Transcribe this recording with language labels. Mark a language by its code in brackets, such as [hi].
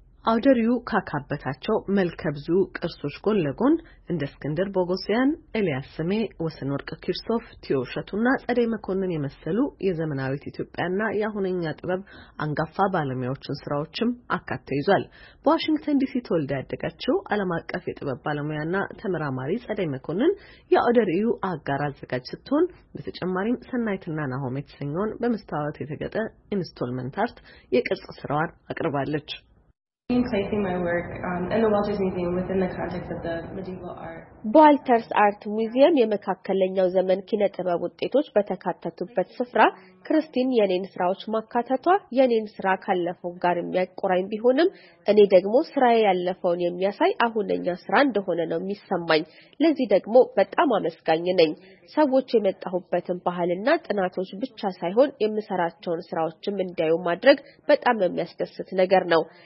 [am] አውደሪው ካካበታቸው መልከብዙ ቅርሶች ጎን ለጎን እንደ እስክንድር ቦጎሲያን፣ ኤልያስ ስሜ፣ ወሰንወርቅ ክርስቶፍ፣ ቲዮሸቱና ጸደይ መኮንን የመሰሉ የዘመናዊት ኢትዮጵያና የአሁንኛ ጥበብ አንጋፋ ባለሙያዎችን ስራዎችም አካተ ይዟል። በዋሽንግተን ዲሲ ተወልዳ ያደገችው ዓለም አቀፍ የጥበብ ባለሙያና ተመራማሪ ጸደይ መኮንን የአውደሪው አጋር አዘጋጅ ስትሆን በተጨማሪም ሰናይትና ናሆም የተሰኘውን በመስታወት የተገጠ ኢንስቶልመንት አርት የቅርጽ ስራዋን አቅርባለች። [en] Placing my work in the Walters Museum within the context of the medieval art. [am] Walters Art Museum የመካከለኛው ዘመን ኪነ ጥበብ ውጤቶች በተካተቱበት ስፍራ ክርስቲን የኔን ስራዎች ማካተቷ የኔን ስራ ካለፈው ጋር የሚያቆራኝ ቢሆንም እኔ ደግሞ ስራዬ ያለፈውን የሚያሳይ አሁንኛ ስራ እንደሆነ ነው የሚሰማኝ። ለዚህ ደግሞ በጣም አመስጋኝ ነኝ። ሰዎች የመጣሁበትን ባህልና ጥናቶች ብቻ ሳይሆን የምሰራቸውን ስራዎችም እንዲያዩ ማድረግ በጣም የሚያስደስት ነገር ነው።